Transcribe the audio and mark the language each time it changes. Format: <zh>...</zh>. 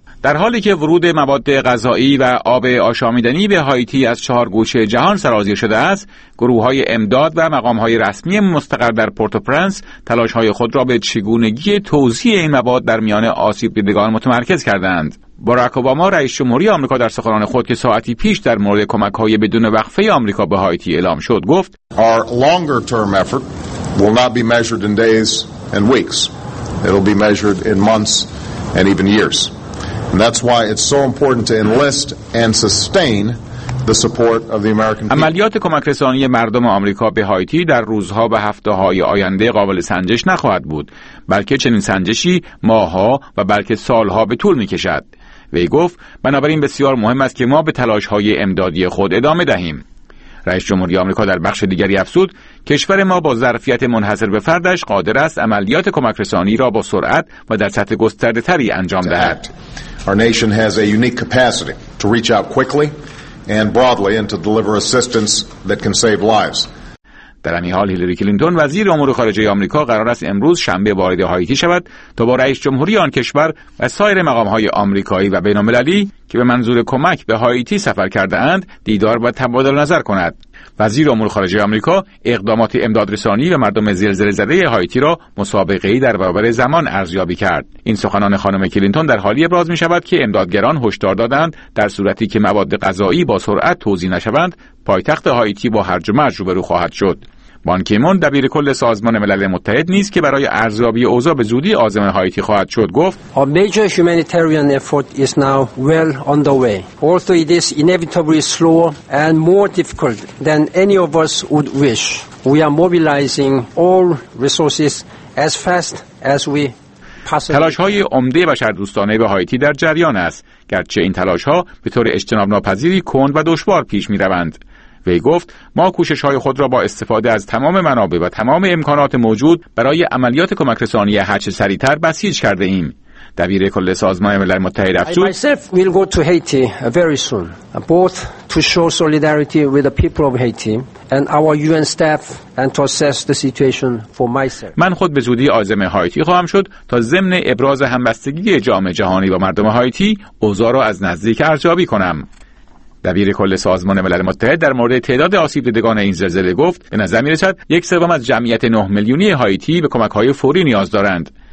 <fa>در حالی که ورود مواد غذایی و آب آشامیدنی به هایتی از چهار گوشه جهان سرازیر شده است، گروه های امداد و مقام های رسمی مستقر در پورتوپرنس تلاش های خود را به چگونگی توزیع این مواد در میان آسیب دیدگان متمرکز کردند. باراک اوباما رئیس جمهوری آمریکا در سخنان خود که ساعتی پیش در مورد کمک های بدون وقفه آمریکا به هایتی اعلام شد گفت:</fa> <en>Our longer term effort will not be measured in days and weeks. It'll be measured in months and even years. And that's why it's so important to enlist and sustain the support of the American people.</en> <fa>عملیات کمک رسانی مردم آمریکا به هایتی در روزها و هفته‌های آینده قابل سنجش نخواهد بود، بلکه چنین سنجشی ماه‌ها و بلکه سال‌ها به طول می‌کشد. وی گفت: بنابراین بسیار مهم است که ما به تلاش‌های امدادی خود ادامه دهیم. رئیس جمهوری آمریکا در بخش دیگری افزود: کشور ما با ظرفیت منحصر به فردش قادر است عملیات کمک رسانی را با سرعت و در سطح گسترده تری انجام دهد.</fa> <en>Our nation has a unique capacity to reach out quickly and broadly and to deliver assistance that can save lives.</en> <fa>در همین حال هیلری کلینتون وزیر امور خارجه آمریکا قرار است امروز شنبه وارد هایتی شود تا با رئیس جمهوری آن کشور و سایر مقام‌های آمریکایی و بین‌المللی که به منظور کمک به هایتی سفر کرده‌اند دیدار و تبادل نظر کند. وزیر امور خارجه آمریکا اقدامات امدادرسانی به مردم زلزله‌زده هایتی را مسابقه‌ای در برابر زمان ارزیابی کرد. این سخنان خانم کلینتون در حالی ابراز می‌شود که امدادگران هشدار دادند در صورتی که مواد غذایی با سرعت توزیع نشوند، پایتخت هایتی با هرج و مرج روبرو خواهد شد. بان کی مون دبیر کل سازمان ملل متحد نیز که برای ارزیابی اوضاع به زودی عازم هایتی خواهد شد گفت:</fa> <en>A major humanitarian effort is now well underway. Although it is inevitably slower and more difficult than any of us would wish, we are mobilizing all resources as fast as we possibly.</en> <fa>تلاش‌های عمده بشردوستانه به هایتی در جریان است، گرچه این تلاش‌ها به طور اجتناب ناپذیری کند و دشوار پیش می‌روند. وی گفت: ما کوشش‌های خود را با استفاده از تمام منابع و تمام امکانات موجود برای عملیات کمک رسانی هر چه سریع‌تر بسیج کرده ایم. دبیر کل سازمان ملل متحد افزود:</fa> <en>I myself will go to Haiti very soon, both to show solidarity with the people of Haiti and our UN staff and to assess the situation for myself.</en> <fa>من خود به زودی عازم هایتی خواهم شد تا ضمن ابراز همبستگی جامعه جهانی با مردم هایتی اوضاع را از نزدیک ارزیابی کنم. دبیر کل سازمان ملل متحد در مورد تعداد آسیب دیدگان این زلزله گفت: به نظر می رسد یک سوم از جمعیت 9 میلیونی هایتی به کمک‌های فوری نیاز دارند.</fa>